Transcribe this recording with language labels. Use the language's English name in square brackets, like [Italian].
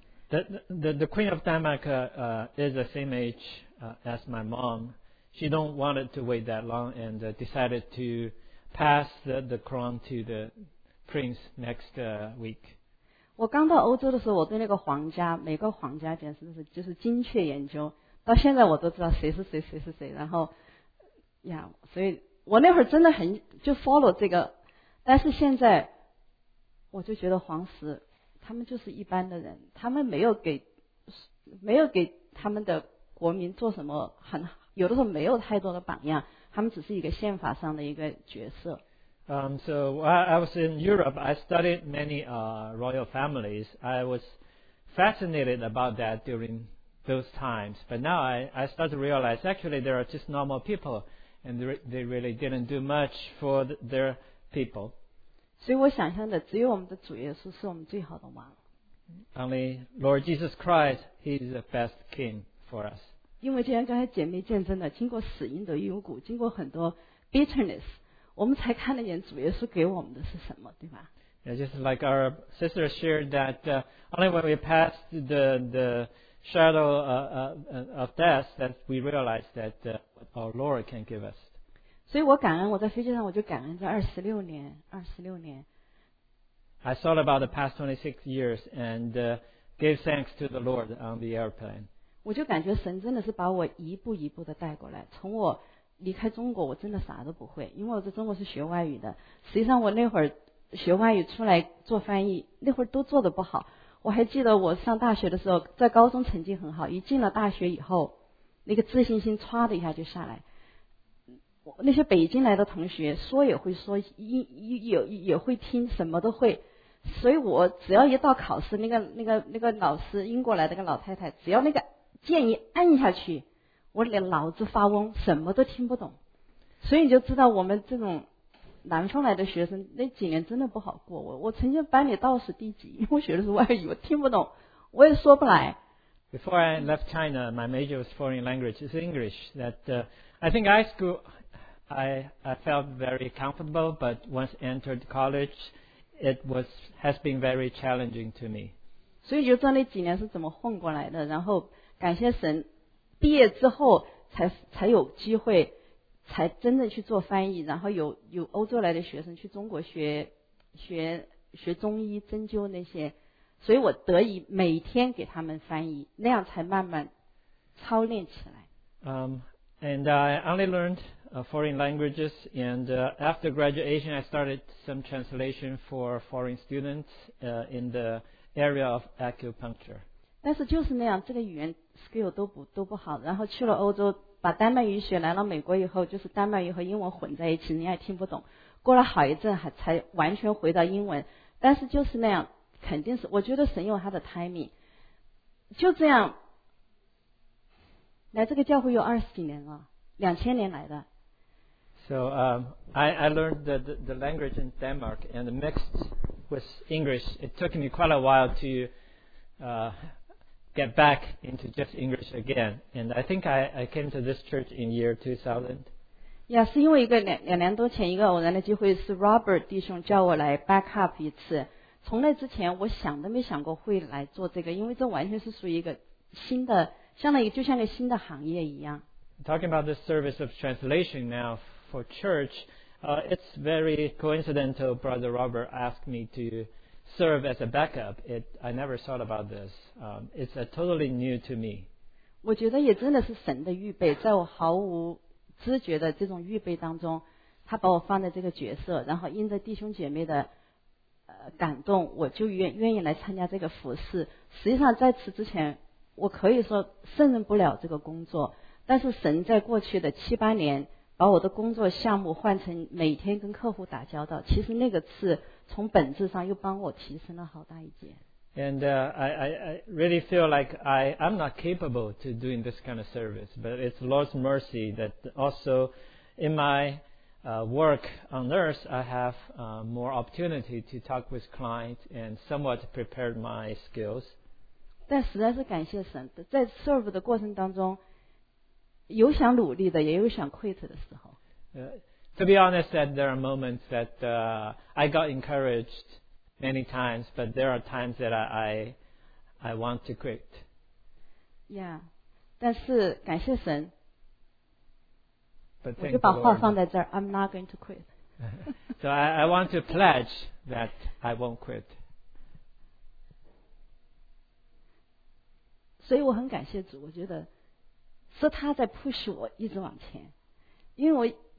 [English] The Queen of Denmark is the same age as my mom. She don't want it to wait that long and decided to pass the crown to the prince next week. [Chinese] 我刚到欧洲的时候，我对那个皇家每个皇家简直是就是精确研究，到现在我都知道谁是谁谁是谁。然后呀，所以我那会儿真的很就 follow 这个，但是现在我就觉得皇室。他们就是一般的人，他们没有给他们的国民做什么很有的时候没有太多的榜样，他们只是一个宪法上的一个角色。 [English] So I was in Europe. I studied many royal families. I was fascinated about that during those times. But now I start to realize actually they are just normal people, and they really didn't do much for their people. [Chinese] 所以我想象的只有我们的主耶稣是我们最好的王。 [English] Only Lord Jesus Christ, He is the best King for us. [Chinese] 因为就像刚才姐妹见证的，经过死荫的幽谷，经过很多 bitterness。我们才看得见主耶稣给我们的是什么，对吧？ [English] Yeah, just like our sister shared that only when we pass the shadow of death that we realize that our Lord can give us. [Chinese] 所以我感恩，我在飞机上我就感恩这二十六年。 [English] I thought about the past 26 years and gave thanks to the Lord on the airplane. [Chinese] 我就感觉神真的是把我一步一步的带过来，从我离开中国我真的啥都不会，因为我在中国是学外语的，实际上我那会儿学外语出来做翻译那会儿都做得不好。我还记得我上大学的时候，在高中成绩很好，一进了大学以后那个自信心唰的一下就下来，那些北京来的同学说也会说，也会听，什么都会，所以我只要一到考试，那个老师，英国来的那个老太太，只要那个键一按下去，我连脑子发嗡，什么都听不懂。所以你就知道我们这种南方来的学生那几年真的不好过。我曾经班里倒数第几，因为我学的是外语，我听不懂，我也说不来。 [English] Before I left China, my major was foreign language, it's English. That I think high school, I felt very comfortable, but once entered college, has been very challenging to me. [Chinese] 所以就知道那几年是怎么混过来的，然后感谢神。毕业之后才有机会才真正去做翻译，然后有欧洲来的学生去中国学中医针灸那些，所以我得以每天给他们翻译，那样才慢慢操练起来。 [English] And I only learned foreign languages, and after graduation I started some translation for foreign students in the area of acupuncture. [Chinese] 但是就是那样，这个语言skill 都不好，然后去了欧洲，把丹麦语学来了美国以后，就是丹麦语和英文混在一起，你也听不懂。过了好一阵，还才完全回到英文。但是就是那样，肯定是我觉得神有他的 timing。就这样，来这个教会有二十几年了，2000年来的。 [English] So I learned the language in Denmark and mixed with English. It took me quite a while to get back into just English again, and I think I came to this church in year 2000. [Chinese] Yeah, 是因为一个两年多前一个偶然的机会，是 Robert 弟兄叫我来 [English] back up [Chinese] 一次。从那之前，我想都没想过会来做这个，因为这完全是属于一个新的，相当于就像个新的行业一样。 [English] Talking about the service of translation now for church, it's very coincidental. Brother Robert asked me to serve as a backup. I never thought about this. It's a totally new to me. [Chinese] 我觉得也真的是神的预备，在我毫无知觉的这种预备当中，他把我放在这个角色，然后因着弟兄姐妹的感动，我就愿意来参加这个服事。实际上在此之前，我可以说胜任不了这个工作，但是神在过去的七八年把我的工作项目换成每天跟客户打交道，其实那个是从本质上又帮我提升了好大一截。 [English] And I really feel like I'm not capable to doing this kind of service, but it's Lord's mercy that also in my work on earth I have more opportunity to talk with clients and somewhat prepare my skills. [Chinese] 但实在是感谢神，在 serve 的过程当中，有想努力的，也有想 quit 的时候。 [English] To be honest, that there are moments that I got encouraged many times, but there are times that I want to quit. [Chinese] Yeah, 但是感谢神， [English] but [Chinese] 我就把话放在这儿， [English] I'm not going to quit. So I want to pledge that I won't quit. [Chinese] 所以我很感谢主，我觉得是他在 push 我一直往前，因为我。